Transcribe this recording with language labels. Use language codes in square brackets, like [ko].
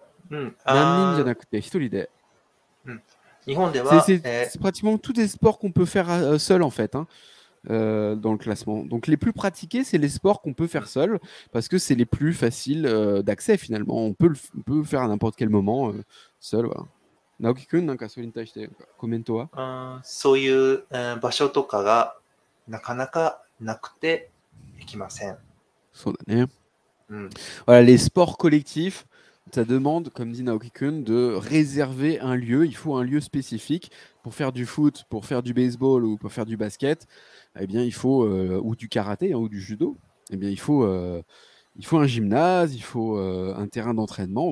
[ja] 何人じゃなくて一人で。日本では、 [fr] c'est pratiquement tous les sports qu'on peut faire seul en fait, hein, dans le classement. Donc les plus pratiqués, c'est les sports qu'on peut faire seul parce que c'est les plus faciles d'accès finalement. On peut faire à n'importe quel moment seul. Voilà. [ja] Naoki-kun, なんかそれに対してコメントは？そういう場所とかがなかなかなくて行きません。そうだね。 [fr] Voilà, les sports collectifs. Ça demande, comme dit Naoki-kun, de réserver un lieu. Il faut un lieu spécifique pour faire du foot, pour faire du baseball ou pour faire du basket. Eh bien, il faut, ou du karaté, hein, ou du judo. Eh bien, il faut un gymnase, il faut un terrain d'entraînement.